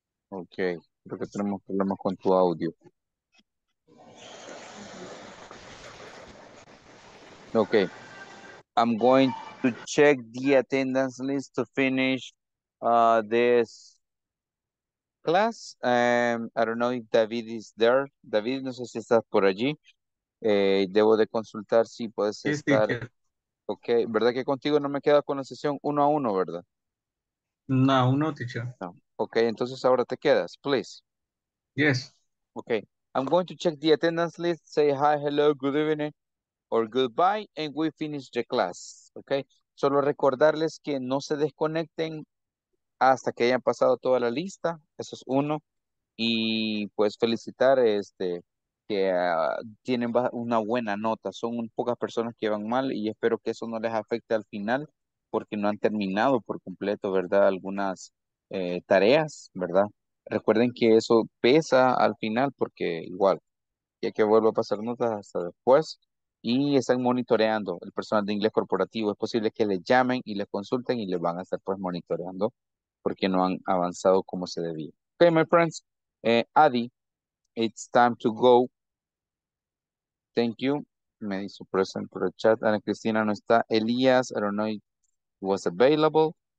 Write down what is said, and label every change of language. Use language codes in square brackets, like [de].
[es] Okay, creo que tenemos problemas con tu audio. [en] Okay, I'm going to check the attendance list to finish this class. I don't know if David is there. David, [es] no sé si estás por allí. Debo de consultar si puedes sí, estar. Sí, sí. Ok, ¿verdad que contigo no me queda con la sesión 1-1, verdad? No, 1-1, teacher. No. Ok, entonces ahora te quedas, please. [en] Yes. Ok, I'm going to check the attendance list, say hi, hello, good evening, or goodbye, and we finish the class. [es] Ok, solo recordarles que no se desconecten hasta que hayan pasado toda la lista, eso es uno, y pues felicitar que tienen una buena nota. Son pocas personas que van mal y espero que eso no les afecte al final porque no han terminado por completo, ¿verdad? Algunas tareas, ¿verdad? Recuerden que eso pesa al final porque igual, ya que vuelvo a pasar notas hasta después y están monitoreando el personal de inglés corporativo. Es posible que les llamen y les consulten y les van a estar pues monitoreando porque no han avanzado como se debía. [en] Ok, my friends, Adi, it's time to go. Thank you. [es] Me dice present por el chat. Ana Cristina no está. Elías, [en] I don't know if he was available.